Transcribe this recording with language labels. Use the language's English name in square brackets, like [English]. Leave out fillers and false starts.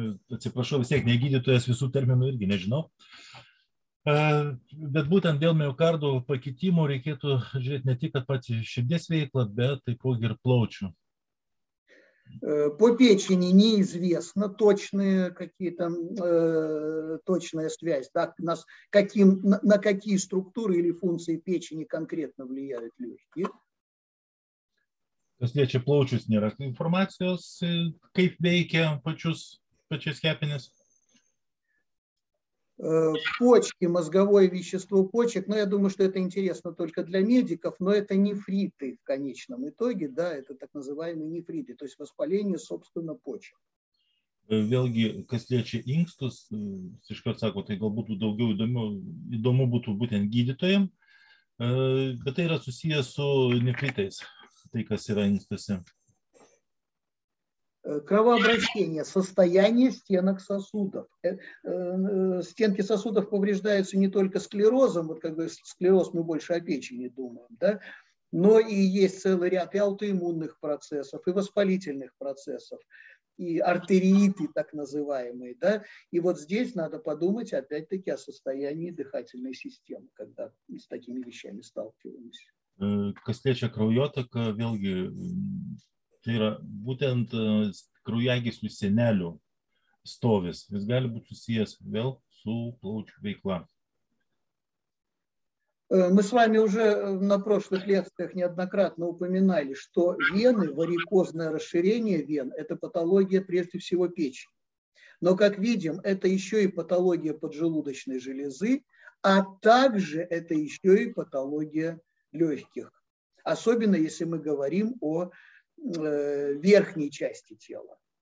[Lithuanian] Atsiprašau, vis tiek negydytojas visų terminų irgi nežinau. Bet būtent dėl miokardo pakitimų reikėtų žiūrėti ne tik pati širdies veiklą, bet taipogi ir plaučių. [Russian] По печени неизвестно точная связь, да, на какие структуры или функции печени конкретно влияют легкие. [Lithuanian] Kas liečia plaučius, nėra informacijos, kaip veikia pačius kepenis. [Russian] Почки, мозговое вещество почек, но я думаю, что это интересно только для медиков, но это нефриты в конечном итоге, да, это так называемые нефриты, то есть воспаление, собственно, почек. [Lithuanian] Vėlgi, kas liečia inkstus, iškart sako, tai galbūt daugiau įdomu būtų būtent gydytojim, bet tai yra susiję su nefritais, tai kas yra inkstuose. [Russian] Кровообращение, состояние стенок сосудов. Стенки сосудов повреждаются не только склерозом, вот как бы склероз мы больше о печени думаем, да, но и есть целый ряд и аутоиммунных процессов, и воспалительных процессов, и артериты так называемые, да, и вот здесь надо подумать опять-таки о состоянии дыхательной системы, когда с такими вещами сталкиваемся. [Lithuanian] Кослечья кровотока, vėlgi, tai yra būtent kraujagyslių sienelių stovis. Jis gali būti susijęs vėl su plaučių veikla. [Russian] Мы с вами уже на прошлых лекциях неоднократно упоминали, что вены, варикозное расширение вен – это патология прежде всего печени. Но, как видим, это еще и патология поджелудочной железы, а также это еще и патология легких, особенно если мы говорим о верхней части тела.